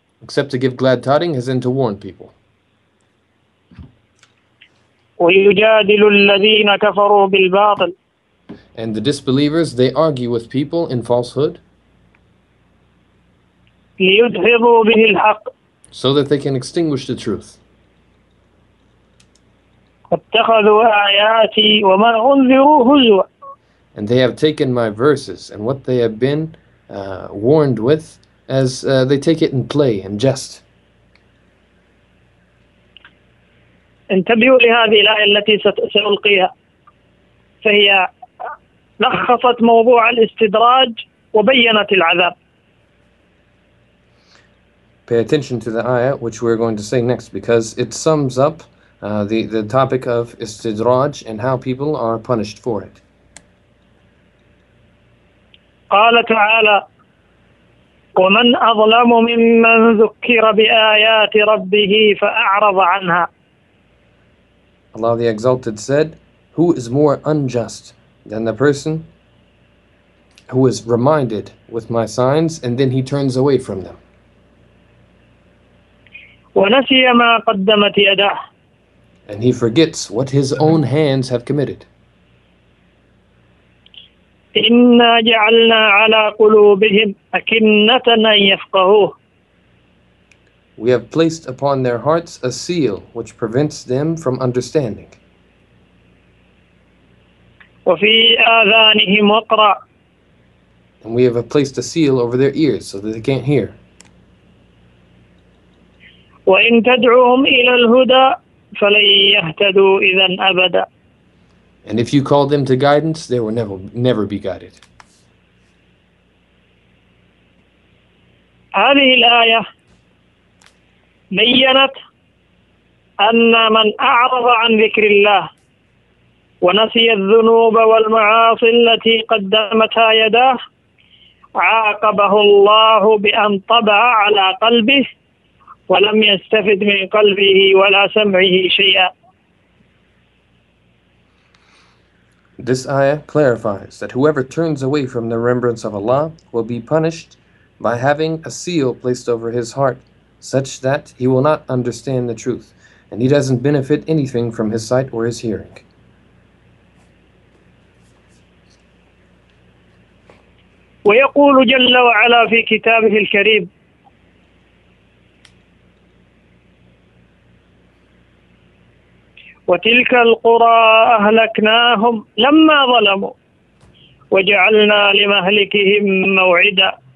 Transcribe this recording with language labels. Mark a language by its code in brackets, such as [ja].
[en] except to give glad tidings as in to warn people. [ar] ويجادل الذين كفروا بالباطل [en] and the disbelievers, they argue with people in falsehood [ar] ليدحضوا به الحق [en] so that they can extinguish the truth. [ar] واتخذوا آياتي وما أنذروا هزوا [en] and they have taken my verses and what they have been warned with as they take it in play and jest. [ar] انتبهوا لهذه الآية التي سألقيها فهي لخصت موضوع الاستدراج وبينت العذاب. [en] Pay attention to the ayah which we're going to say next because it sums up the topic of istidraj and how people are punished for it. [ar] قال تعالى ومن أظلم ممن ذكر بآيات ربه فأعرض عنها [en] Allah the Exalted said, who is more unjust than the person who is reminded with my signs and then he turns away from them? [ar] وَنَسِيَ مَا قَدَّمَتْ يَدَهُ [en] And he forgets what his own hands have committed. [ar] إِنَّا جَعَلْنَا عَلَىٰ قُلُوبِهِمْ أَكِنَّةً أَن يَفْقَهُوهُ [en] We have placed upon their hearts a seal which prevents them from understanding. [ar] وَفِي آذَانِهِمْ وَقْرًا [en] And we have placed a seal over their ears so that they can't hear. [ar] وَإِن تَدْعُوهُمْ إِلَى الْهُدَى فَلَن يَهْتَدُوا إِذًا أَبَدًا [en] And if you call them to guidance, they will never be guided. [ar] هذه الآية بينت أن من أعرض عن ذكر الله ونسي الذنوب والمعاصي التي قدمتها يداه عاقبه الله بأن طبع على قلبه ولم يستفد من قلبه ولا سمعه شيئا [en] This ayah clarifies that whoever turns away from the remembrance of Allah will be punished by having a seal placed over his heart such that he will not understand the truth and he doesn't benefit anything from his sight or his hearing. [ar] ويقول جل وعلا في كتابه الكريم وتلك القرى أهلكناهم لما ظلموا وجعلنا لمهلكهم موعدا